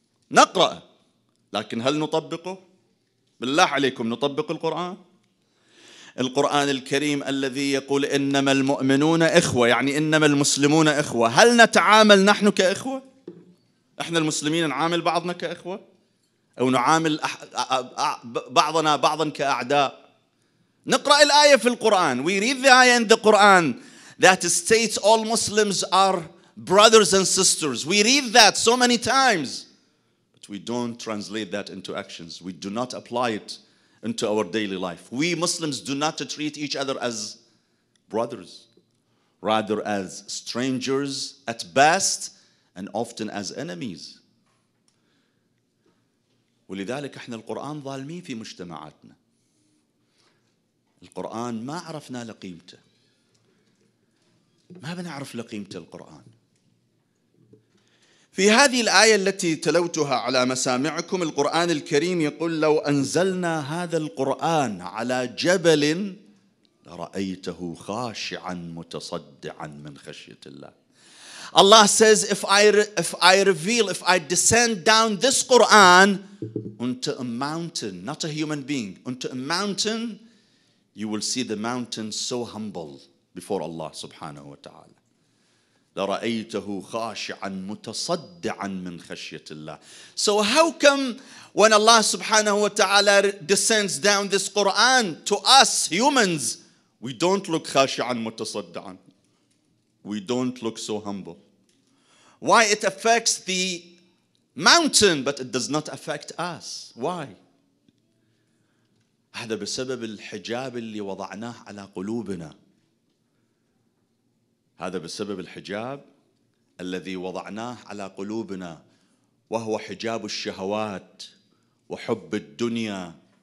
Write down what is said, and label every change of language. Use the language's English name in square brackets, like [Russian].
[Arabic] نقرأ لكن هل نطبقه؟ بالله عليكم نطبق القرآن؟ القرآن الكريم الذي يقول إنما المؤمنون إخوة، يعني إنما المسلمون إخوة، هل نتعامل نحن كإخوة؟ إحنا المسلمين نعامل بعضنا كإخوة؟ أو نعامل بعضنا بعضا كأعداء؟ نقرأ الآية في القرآن. [English] We read the ayah in the Quran that states all Muslims are brothers and sisters. We read that so many times. But we don't translate that into actions. We do not apply it into our daily life. We Muslims do not treat each other as brothers, rather as strangers at best and often as enemies. [Arabic] ولذلك احنا القرآن ظالمين في مجتمعاتنا. القرآن ما عرفنا لقيمته، ما بنعرف لقيمة القرآن. في هذه الآية التي تلوتها على مسامعكم، القرآن الكريم يقول لو أنزلنا هذا القرآن على جبل لرأيته خاشعا متصدعا من خشية الله. [English] Allah says if I descend down this Quran onto a mountain, not a human being, onto a mountain, you will see the mountain so humble before Allah subhanahu wa ta'ala. [Arabic] لَرَأَيْتَهُ خَاشِعًا مُتَصَدِّعًا مِنْ خَشْيَةِ اللَّهِ. [English] So how come when Allah subhanahu wa ta'ala descends down this Quran to us humans, we don't look [Arabic] خَاشِعًا مُتَصَدِّعًا. [English] We don't look so humble. Why it affects the mountain, but it does not affect us. Why? [Arabic] هذا بسبب الحجاب اللي وضعناه على قلوبنا. هذا بسبب الحجاب الذي وضعناه على قلوبنا، وهو حجاب الشهوات وحب الدنيا.